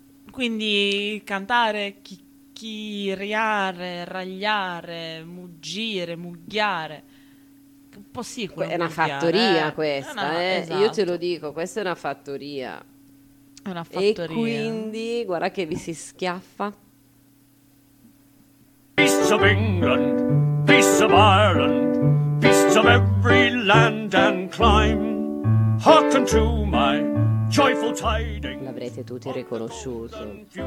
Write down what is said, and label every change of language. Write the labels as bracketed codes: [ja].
[it] Quindi cantare, chicchiriare, ragliare, muggire, mugghiare. Un po' sì. È una fattoria questa, no, esatto. Io te lo dico, questa è una fattoria. Una fattoria. E quindi guarda che vi si schiaffa. [en] Beasts of England, beasts of Ireland, beasts of every land and clime, hearken to my joyful tidings. [it] L'avrete tutti riconosciuto.